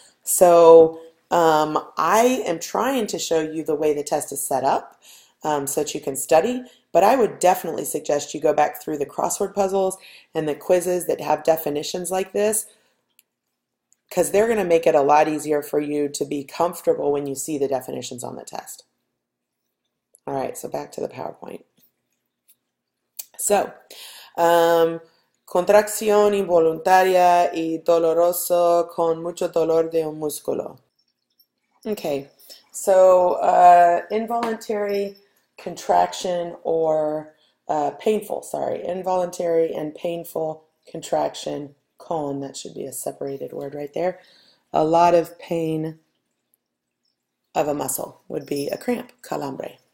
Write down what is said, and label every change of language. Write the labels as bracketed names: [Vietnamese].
[English] So I am trying to show you the way the test is set up so that you can study. But I would definitely suggest you go back through the crossword puzzles and the quizzes that have definitions like this, because they're going to make it a lot easier for you to be comfortable when you see the definitions on the test. All right, so back to the PowerPoint. [Spanish] So, contracción involuntaria y doloroso con mucho dolor de un músculo. [English] Okay, so involuntary. Contraction or painful, sorry, involuntary and painful contraction, con, that should be a separated word right there. A lot of pain of a muscle would be a cramp, calambre.